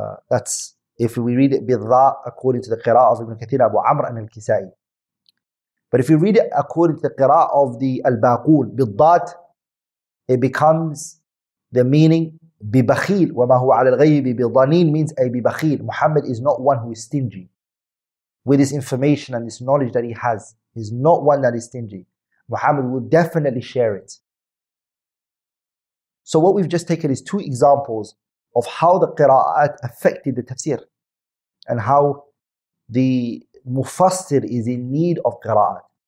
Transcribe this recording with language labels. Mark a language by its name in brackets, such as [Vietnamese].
[English] That's if we read it bidha according to the qira'ah of Ibn Kathir, Abu Amr and Al-Kisai. But if you read it according to the qira'ah of the Al-Baqul, bidhat, it becomes the meaning bibakhil. [Arabic] وَمَا هُوَ عَلَى الْغَيْبِ بِضَنِينَ [English] means [Arabic] أي bibakhil. [English] Muhammad is not one who is stingy with this information and this knowledge that he has. He's not one that is stingy. Muhammad will definitely share it. So what we've just taken is two examples of how the qira'at affected the tafsir and how the mufassir is in need of qira'at.